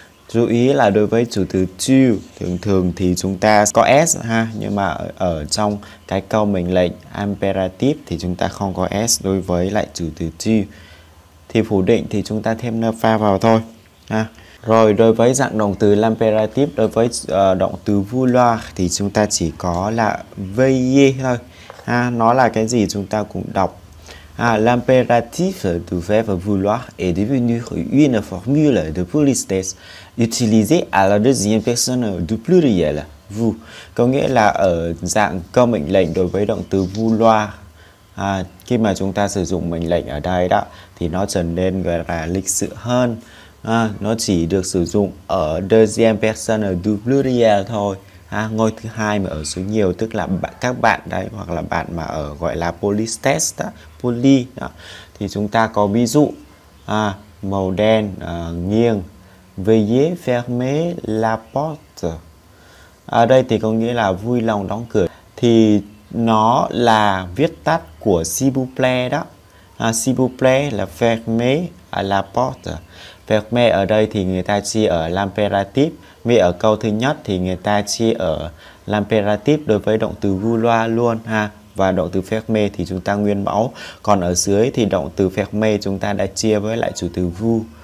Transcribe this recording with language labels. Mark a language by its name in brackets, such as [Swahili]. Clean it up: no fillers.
[Vietnamese] Chú ý là đối với chủ từ tu, thường thường thì chúng ta có s ha, nhưng mà ở trong cái câu mệnh lệnh imperative thì chúng ta không có s đối với lại chủ từ tu. Thì phủ định thì chúng ta thêm ne pas vào thôi ha. Rồi đối với dạng động từ l'impérative, đối với động từ vouloir thì chúng ta chỉ có là veiller thôi ha. Nó là cái gì chúng ta cũng đọc. [French] L'impératif du verbe vouloir est devenu une formule de politesse utilisée à la deuxième personne du pluriel vous. [Vietnamese] Có nghĩa là ở dạng câu mệnh lệnh đối với động từ vouloir, khi mà chúng ta sử dụng mệnh lệnh ở đây đó, thì nó trở nên gọi là lịch sự hơn. Nó chỉ được sử dụng ở [French] deuxième personne du pluriel [Vietnamese] thôi. Ngôi thứ hai mà ở số nhiều, tức là các bạn đấy, hoặc là bạn mà ở gọi là polistes đó, poly đó. Thì chúng ta có ví dụ màu đen nghiêng, [French] veuillez fermer la porte. [Vietnamese] Ở đây thì có nghĩa là vui lòng đóng cửa, thì nó là viết tắt của [French] s'il vous plaît [Vietnamese] đó. [French] S'il vous plaît là fermer la porte. [Vietnamese] Fermer ở đây thì người ta chia ở l'impératif. Vì ở câu thứ nhất thì người ta chia ở l'impératif đối với động từ vouloir luôn ha. Và động từ fermer thì chúng ta nguyên mẫu. Còn ở dưới thì động từ fermer chúng ta đã chia với lại chủ từ vous.